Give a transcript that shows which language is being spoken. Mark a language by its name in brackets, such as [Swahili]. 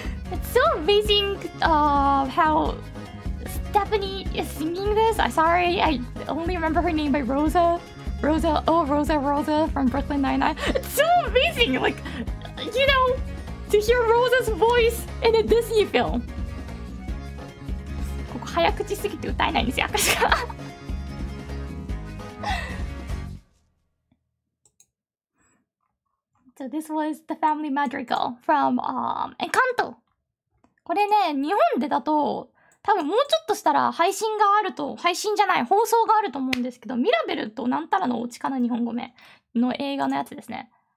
[English] It's so amazing how Stephanie is singing this. I'm sorry, I only remember her name by Rosa. Rosa, oh Rosa, Rosa from Brooklyn Nine-Nine. It's so amazing, like, you know, to hear Rosa's voice in a Disney film. [Japanese] ここ早口すぎて歌えないんですよ、私が。 [English] So this was the Family Madrigal from Encanto. [Japanese] これね、日本でだと多分もうちょっとしたら配信があると、配信じゃない、放送があると思うんですけど、ミラベルとなんたらのお家かな、日本語名の映画のやつですね。